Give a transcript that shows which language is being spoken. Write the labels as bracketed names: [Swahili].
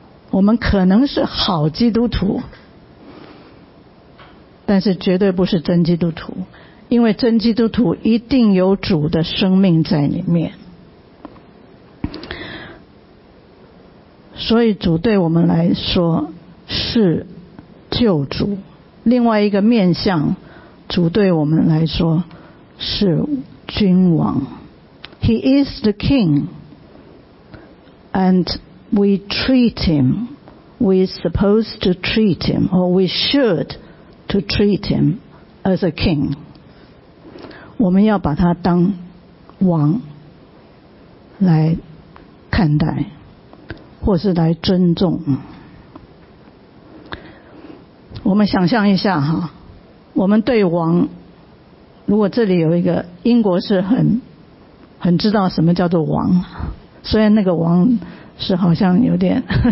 [Chinese] 我们可能是好基督徒，但是绝对不是真基督徒，因为真基督徒一定有主的生命在里面。所以主对我们来说是救主，另外一个面向，主对我们来说是君王。 [English] He is the king and we treat him, we supposed to treat him, or we should to treat him as a king. [Chinese] 我们要把他当王来看待，或是来尊重。我们想象一下哈，我们对王，如果这里有一个英国是很知道什么叫做王，虽然那个王是好像有点